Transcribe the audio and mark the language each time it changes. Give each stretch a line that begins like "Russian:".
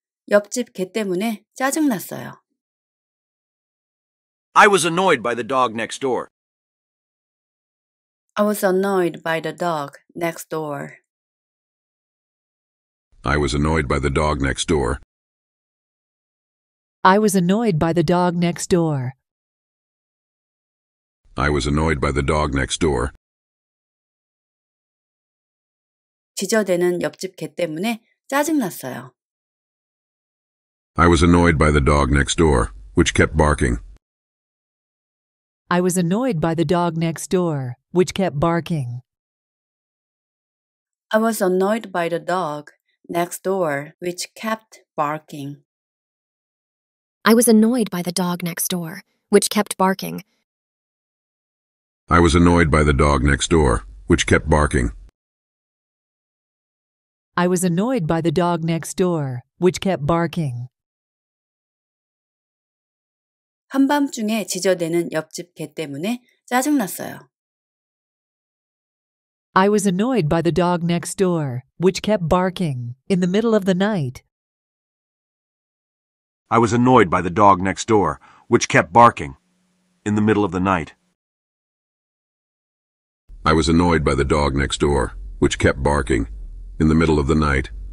Korean: 옆집 개 때문에 짜증났어요.
English: I was annoyed by the dog next door. I was annoyed by the dog next door. I was annoyed by the dog next door. I was annoyed by the dog next door. I was annoyed by the dog next door.
Korean: 지저대는 옆집 개 때문에 짜증났어요.
English: I was annoyed by the dog next door, which kept barking. I was annoyed by the dog next door, which kept barking. I was annoyed by the dog next door, which kept barking. I was annoyed by the dog next door, which kept barking. I was annoyed by the dog next door, which kept barking. I was annoyed by the dog next door, which kept barking.
Korean: 한밤중에 지저대는 옆집 개 때문에 짜증났어요.
English: I was annoyed by the dog next door, which kept barking in the middle of the night. I was annoyed by the dog next door, which kept barking in the middle of the night. I was annoyed by the dog next door, which kept barking in the middle of the night.